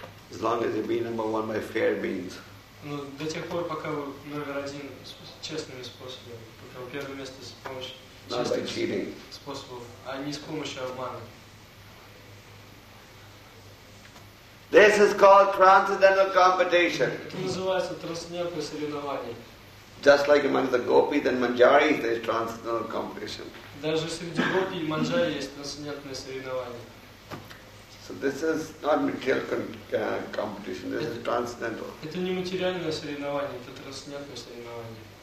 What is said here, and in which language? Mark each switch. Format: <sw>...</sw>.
<en>As long as you be number one by fair means.</en> <ru>Ну, до тех пор, пока вы номер один честными способами, пока вы первое место с помощью честных способов, а не с помощью обмана.</ru> <en>This is called transcendental competition.</en> <ru>Это называется трансцендентное соревнование.</ru> <en>Just like among the gopis and manjaris, there is transcendental competition.</en> <ru>Даже среди гопи и манджари есть трансцендентное соревнование.</ru> <en>So this is not material competition. This is transcendental.</en> <ru>Это не материальное соревнование, это трансцендентное соревнование.</ru>